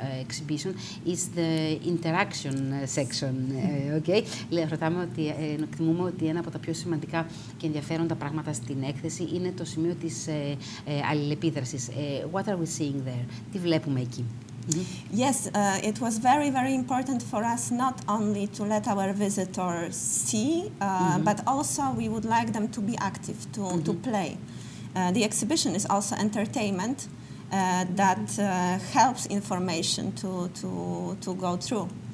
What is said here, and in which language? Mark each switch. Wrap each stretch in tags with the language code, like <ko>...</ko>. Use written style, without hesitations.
<en>exhibition is the interaction section. Okay.</en> <el>Ρωτάμε ότι εκτιμούμε ότι ένα από τα πιο σημαντικά και ενδιαφέροντα πράγματα στην έκθεση είναι το σημείο της αλληλεπίδρασης.</el> <en>What are we seeing there?</en> <el>Τι βλέπουμε εκεί? Mm-hmm.</el> <en>Yes, it was very, very important for us not only to let our visitors see, mm-hmm. but also we would like them to be active, to, mm-hmm. to play. The exhibition is also entertainment that helps information to go through.</en>